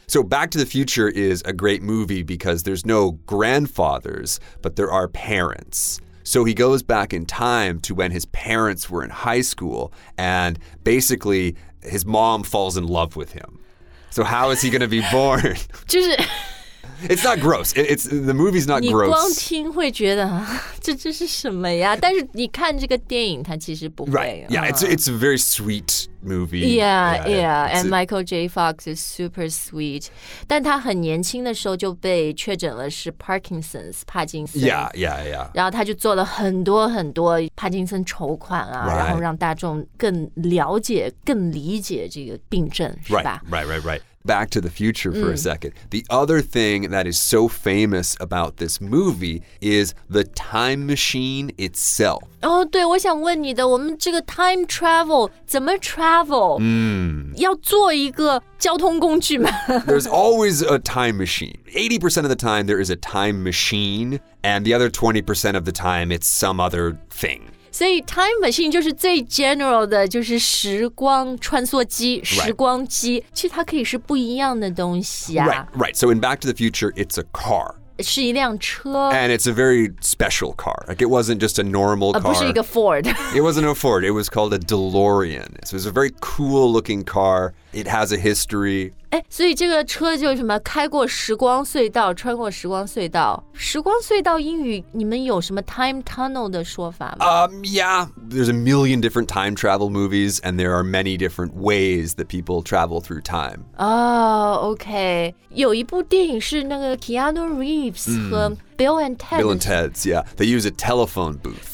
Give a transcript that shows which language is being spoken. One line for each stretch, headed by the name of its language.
English: So Back to the Future is a great movie because there's no grandfathers, but there are parents. So he goes back in time to when his parents were in high school, and basically his mom falls in love with him. So how is he going to be born?
Chinese: 就是
English: It's not gross. It's, the movie's not
Chinese: 你
English: gross.
Chinese: 你光听会觉得这是什么呀但是你看这个电影它其实不会。
English: Right. Yeah, it's a very sweet movie. Yeah, and Michael J. Fox is super sweet.
Chinese: 但他很年轻的时候就被确诊了是 Parkinson's, 帕金森。
English: Yeah.
Chinese: 然后他就做了很多很多帕金森筹款啊、
English: right.
Chinese: 然后让大众更了解更理解这个病症是吧
English: Right. Back to the Future for a second. The other thing that is so famous about this movie is the time machine itself.
Chinese: Oh, 对，我想问你的，我们这个 time travel 怎么 travel? 要做一个交通工具吗？
English: There's always a time machine. 80% of the time there is a time machine, and the other 20% of the time it's some other thing.
Chinese: 所以 time machine 就是最 general 的就是时光穿梭机、
English: right.
Chinese: 时光机其实它可以是不一样的东西啊
English: Right. So in Back to the Future, it's a car.
Chinese: 是一辆车
English: And it's a very special car. Like it wasn't just a normal car.
Chinese: 不是一个 Ford.
English: It wasn't a Ford. It was called a DeLorean. So it's a very cool looking car. It has a history.
Chinese: 所以这个车就是什么开过时光隧道穿过时光隧道。时光隧道英语你们有什么 time tunnel 的说法吗、
English: Yeah, there's a million different time travel movies and there are many different ways that people travel through time.
Chinese: Okay. 有一部电影是那个 Keanu Reeves 和、Bill and Ted.
English: Bill and Ted's, yeah. They use a telephone booth.